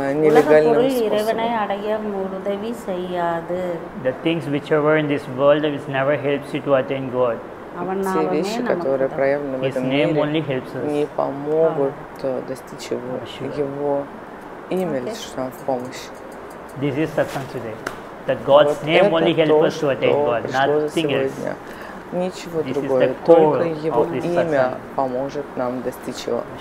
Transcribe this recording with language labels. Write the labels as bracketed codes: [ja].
[ta] உலகப் பொருள் இறைவனை அடைய உதவி செய்யாது. [en] The things whichever in this world is never helps you to attain God. [ru] Все вещи, которые проявлены в этом мире, не помогут достичь Его. Его имя лишь нам в помощь. [en] This is satsang today. That God's name only helps us to attain God. Nothing else. [ru] Ничего другое, только Его имя поможет нам достичь Его.